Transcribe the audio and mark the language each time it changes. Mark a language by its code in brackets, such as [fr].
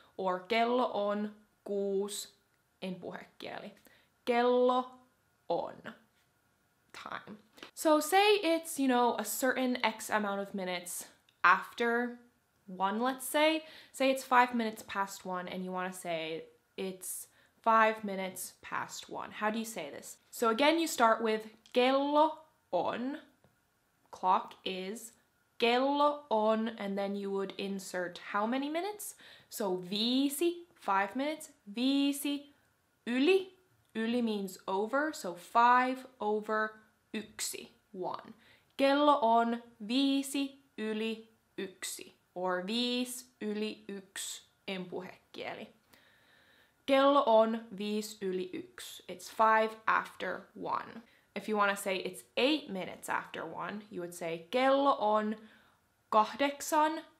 [fi] Or kello on kuusi in puhekieli. Kello on time. [en] So say it's, you know, a certain X amount of minutes after one, let's say. Say it's 1:05 and you want to say it's 1:05. How do you say this? So again, you start with [fi] kello on, [en] clock is kello on, and then you would insert how many minutes? So viisi, 5 minutes, [fi] viisi yli, [en] yli means over, so 5 over yksi, one. [fi] Kello on viisi yli yksi, or viis yli yksi in puhekieli. Kello on viis yli yksi, [en] it's 1:05. If you want to say it's 1:08, you would say [fi] kello on [en] 8:01.